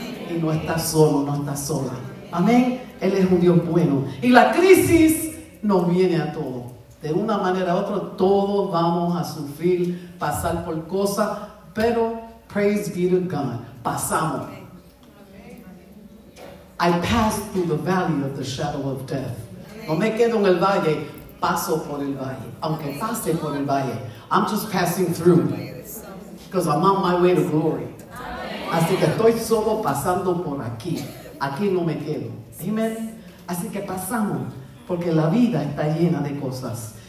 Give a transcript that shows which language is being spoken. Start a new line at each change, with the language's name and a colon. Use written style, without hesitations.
Spanish: Y no estás solo, no estás sola. Amén. Él es un Dios bueno. Y la crisis nos viene a todos. De una manera u otra, todos vamos a sufrir, pasar por cosas, pero
English: praise be to God,
Spanish: pasamos.
English: I pass through the valley of the shadow of death.
Spanish: No me quedo en el valle, paso por el valle. Aunque pase por el valle,
English: I'm just passing through. Because I'm on my way to glory.
Spanish: Así que estoy solo pasando por aquí. Aquí no me quedo. Amen. Así que pasamos. Porque la vida está llena de cosas.